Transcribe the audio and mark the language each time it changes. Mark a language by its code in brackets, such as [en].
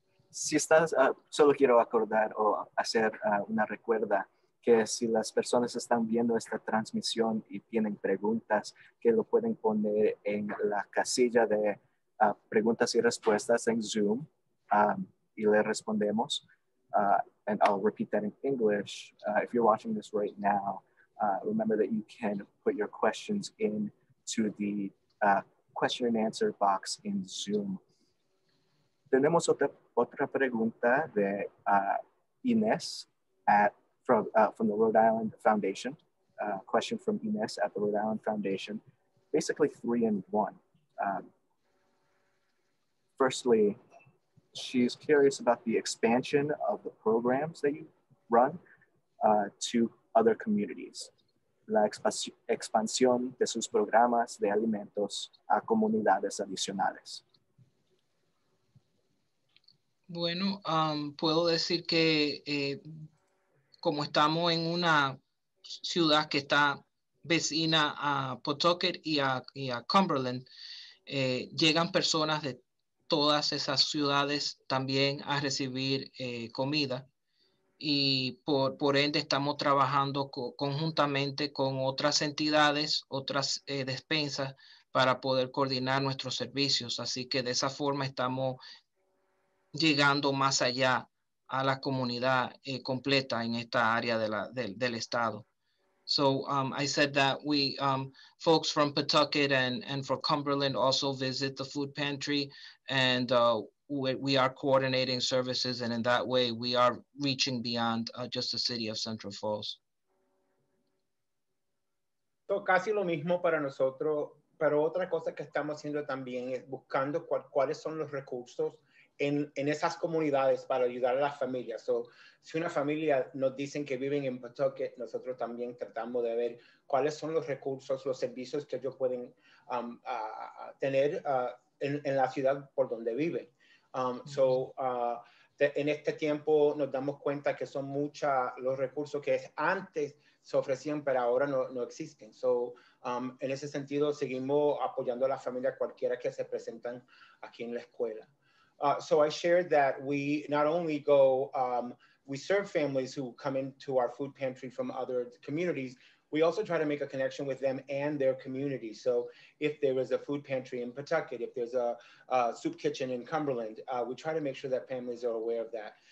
[es] Si estás, solo quiero acordar o hacer una recuerda que si las personas están viendo esta transmisión y tienen preguntas, que lo pueden poner en la casilla de preguntas y respuestas en Zoom y le respondemos. [en] And I'll repeat that in English. If you're watching this right now, remember that you can put your questions in to the question and answer box in Zoom. [es] Tenemos otra pregunta de Inés [en] from the Rhode Island Foundation. Question from Inés at the Rhode Island Foundation. Basically three in one. Firstly, she's curious about the expansion of the programs that you run to other communities. [es] La expansión de sus programas de alimentos a comunidades adicionales. Bueno, puedo decir que como estamos en una ciudad que está vecina a Pawtucket y a Cumberland, llegan personas de todas esas ciudades también a recibir comida. Y por ende estamos trabajando conjuntamente con otras entidades, otras despensas, para poder coordinar nuestros servicios. Así que de esa forma estamos llegando más allá a la comunidad completa en esta área del estado. [en] So I said that we folks from Pawtucket and from Cumberland also visit the food pantry, and we are coordinating services, and in that way we are reaching beyond just the city of Central Falls. [es] So casi lo mismo para nosotros, pero otra cosa que estamos haciendo también es buscando cuáles son los recursos en esas comunidades para ayudar a las familias. So, si una familia nos dicen que viven en Pawtucket, nosotros también tratamos de ver cuáles son los recursos, los servicios que ellos pueden tener en la ciudad por donde viven. En este tiempo nos damos cuenta que son muchos los recursos que antes se ofrecían, pero ahora no existen. So, en ese sentido, seguimos apoyando a las familias cualquiera que se presentan aquí en la escuela. [en] So I shared that we not only go, we serve families who come into our food pantry from other communities, We also try to make a connection with them and their community. So if there is a food pantry in Pawtucket, if there's a soup kitchen in Cumberland, we try to make sure that families are aware of that.